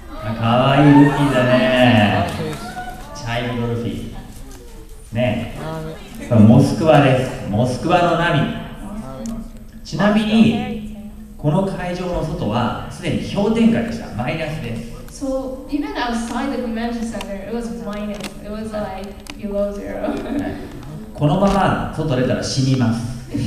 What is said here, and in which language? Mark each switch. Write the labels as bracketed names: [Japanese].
[Japanese] あ、かわいいルフィだね。チャイムルフィ。ね。モスクワです。モスクワの波。ちなみに、この会場の外はすでに氷点下でした。マイナスです。 [English] So, even outside the convention center, it was minus. It was like below zero. [Japanese] このまま外出たら死にます。